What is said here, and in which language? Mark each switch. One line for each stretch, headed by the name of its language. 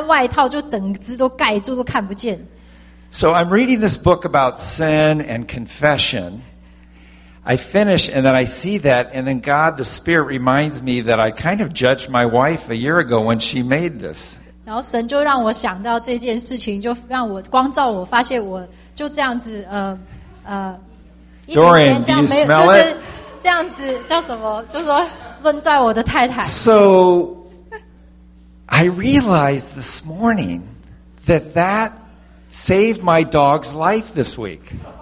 Chinese: 他就读完他那一课以后，他就看到这个小狗的外套，他就觉得一年前他太太弄着以后，就觉得这件事情是很愚蠢的事情，因为这小狗这么小，这还穿外套，就整只都盖住，都看不见。
English: So I'm reading this book about sin and confession. I finish, and then I see that, and then God, the Spirit, reminds me that I kind of judged my wife a year ago when she made this.
Chinese: 然后神就让我想到这件事情，就让我光照我，发现我就这样子，Dorian,
English: do you smell it?
Chinese: 就是这样子叫什么？就说论断我的太太。
English: So I realized this morning that that saved my dog's life this week.